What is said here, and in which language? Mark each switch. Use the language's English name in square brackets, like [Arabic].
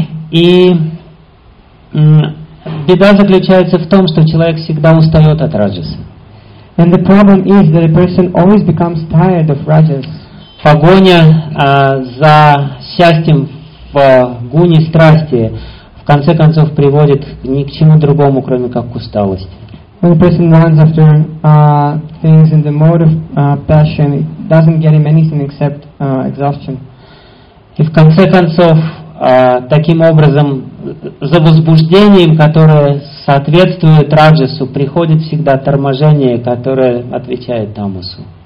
[Russian] И беда заключается в том, что человек всегда устает от раджас. [English] And the problem is that a person always becomes tired of rajas. [Russian] Погоня за счастьем в гуне страсти в конце концов приводит ни к чему другому, кроме как к усталости. [English] When a person runs after things in the mode of passion, it doesn't get him anything except exhaustion. [Russian] И в конце концов, таким образом, за возбуждением, которое соответствует раджасу, приходит всегда торможение, которое отвечает тамасу.